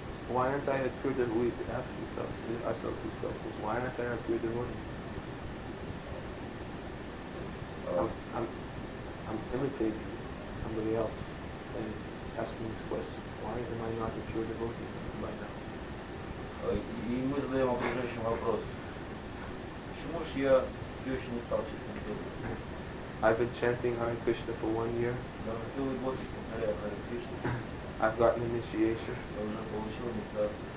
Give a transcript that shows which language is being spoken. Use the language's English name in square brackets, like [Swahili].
[English] Why aren't I a pure devotee? We ask ourselves these questions. Why aren't I a pure devotee? I'm imitating somebody else, saying, asking this question. Why am I not a pure devotee right now? [Russian] И мы задаем окружающим вопрос. Почему ж я все еще не стал чистым преданным? [English] I've been chanting Hare Krishna for 1 year. [Russian] Я уже целый год повторяю Hare Krishna. [English] I've gotten initiation. [Russian] Я уже получил инициацию.